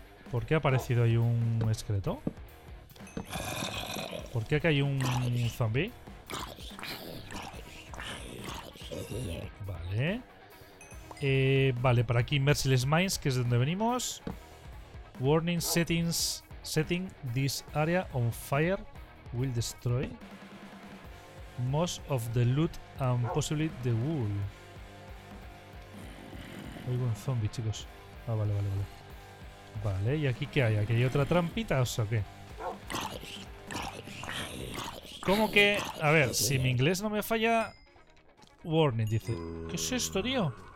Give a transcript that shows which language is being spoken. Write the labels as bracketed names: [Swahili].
[Spanish] ¿Por qué ha aparecido ahí un esqueleto? ¿Por qué aquí hay un zombie? Vale. Vale, para aquí Merciless Mines, que es de donde venimos. [English] Warning settings. Setting this area on fire will destroy most of the loot and possibly the wool. [Spanish] Hay un zombie, chicos. Ah, vale. Vale, ¿y aquí qué hay? ¿Aquí hay otra trampita o qué? Okay. ¿Cómo que...? A ver, si mi inglés no me falla... Warning, dice. ¿Qué es esto, tío?